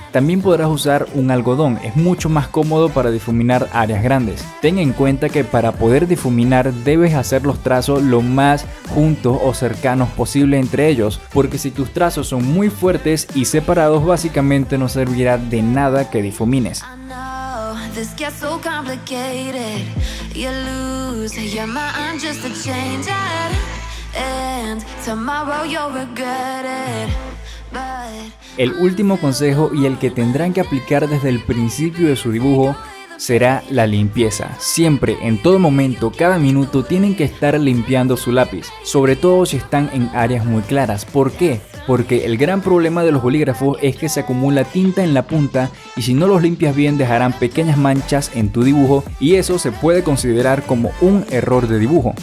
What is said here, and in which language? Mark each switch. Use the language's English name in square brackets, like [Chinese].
[Spanish] También podrás usar un algodón, es mucho más cómodo para difuminar áreas grandes. Ten en cuenta que para poder difuminar debes hacer los trazos lo más juntos o cercanos posible entre ellos, porque si tus trazos son muy fuertes y separados, básicamente no servirá de nada que difumines. [English] This gets so complicated. You lose your mind just to change it. And tomorrow you'll regret it. [Spanish] But el último consejo y el que tendrán que aplicar desde el principio de su dibujo será la limpieza. Siempre, en todo momento, cada minuto tienen que estar limpiando su lápiz, sobre todo si están en áreas muy claras. ¿Por qué? Porque el gran problema de los bolígrafos es que se acumula tinta en la punta y si no los limpias bien dejarán pequeñas manchas en tu dibujo y eso se puede considerar como un error de dibujo.